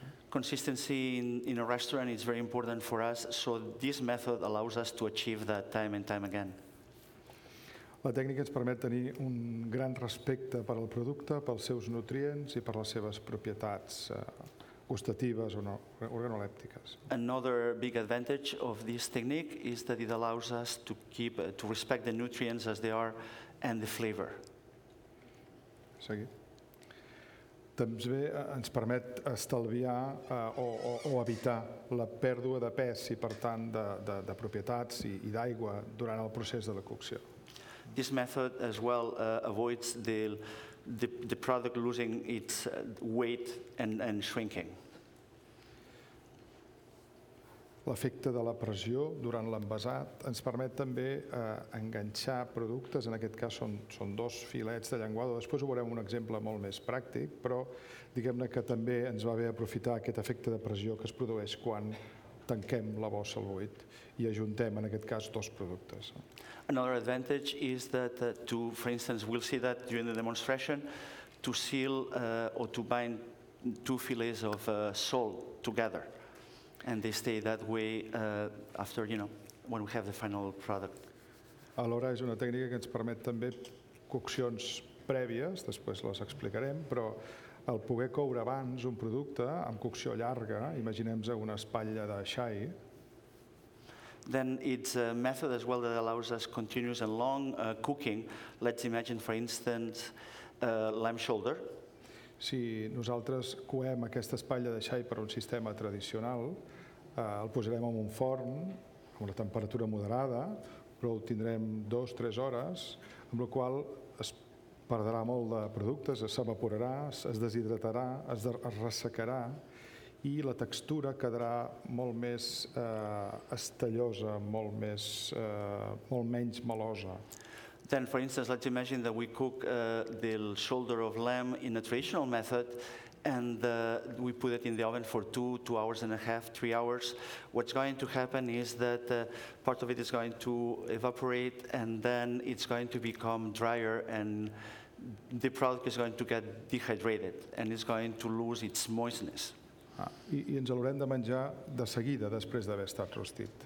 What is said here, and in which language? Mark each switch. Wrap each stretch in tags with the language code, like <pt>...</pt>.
<en>Consistency in a restaurant is very important for us, so this method allows us to achieve that time and time again.</en> <ca>La tècnica ens permet tenir un gran respecte per al producte, pels seus nutrients i per les seves propietats gustatives o organolèptiques.</ca> <en>Another big advantage of this technique is that it allows us to keep to respect the nutrients as they are and the flavor.</en> <ca>Seguit. També ens permet estalviar o evitar la pèrdua de pes i per tant de propietats i d'aigua durant el procés de la cocció.</ca> <en>This method as well avoids the product losing its weight and shrinking.</en> <ca>L'efecte de la pressió durant l'envasat ens permet també enganxar productes, en aquest cas són dos filets de llenguado. Després ho veurem un exemple molt més pràctic, però diguem-ne que també ens va bé aprofitar aquest efecte de pressió que es produeix quan tanquem la bossa al buit i ajuntem, en aquest cas, dos productes.</ca> <en>Another advantage is that, for instance, we'll see that during the demonstration, to seal or to bind two fillets of sole together. And they stay that way after, you know, when we have the final product.</en> <ca>Alhora, és una tècnica que ens permet també coccions prèvies, després les explicarem, però el poder coure abans un producte amb cocció llarga, imaginem-nos una espatlla de xai.</ca> <en>Then it's a method as well that allows us continuous and long cooking. Let's imagine, for instance, lamb shoulder.</en> <ca>Si nosaltres coem aquesta espatlla de xai per un sistema tradicional, el posarem en un forn amb una temperatura moderada, però ho tindrem 2-3 hores, amb la qual es perdrà molt de productes, s'evaporarà, es deshidratarà, es ressecarà i la textura quedarà molt més estellosa, molt menys melosa.</ca> <en>Then, for instance, let's imagine that we cook the shoulder of lamb in a traditional method and we put it in the oven for two hours and a half, 3 hours. What's going to happen is that part of it is going to evaporate and then it's going to become drier and the product is going to get dehydrated and it's going to lose its moistness.</en> <ca>I ens l'haurem de menjar de seguida després d'haver estat rostit.</ca>